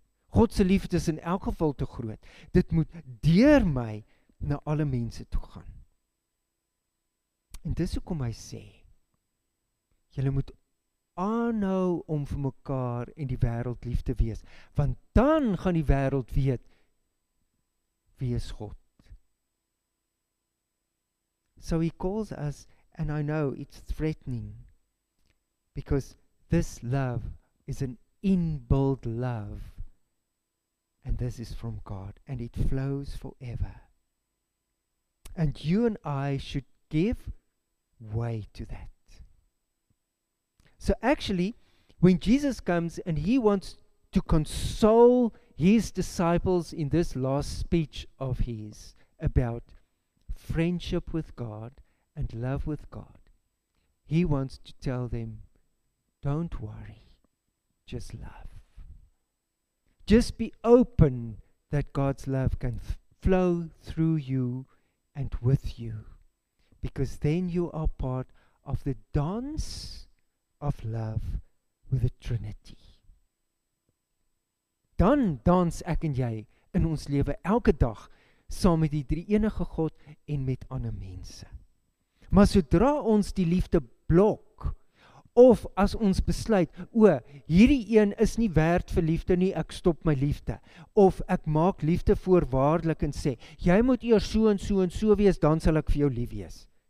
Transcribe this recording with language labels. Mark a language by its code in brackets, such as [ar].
[af] Godse liefde is in elk geval te groot. Dit moet deur my na alle mense toe gaan. En dis hoekom hy sê, julle moet aanhou om vir mekaar en die wêreld lief te wees, want dan gaan die wêreld weet, wie is God. [en] So he calls us, and I know it's threatening, because this love is an inbuilt love, and this is from God, and it flows forever. And you and I should give way to that. So actually, when Jesus comes and he wants to console his disciples in this last speech of his about friendship with God and love with God, he wants to tell them, don't worry, just love. Just be open that God's love can flow through you and with you. Because then you are part of the dance of love with the Trinity. [af] Dan dans ek en jy in ons lewe elke dag saam met die drie enige God en met ander mense. Maar sodra ons die liefde blok, of as ons besluit, o, hierdie een is nie werd vir liefde nie, ek stop my liefde, of ek maak liefde voorwaardelik en sê, jy moet eers so en so en so wees, dan sal ek vir jou lief wees.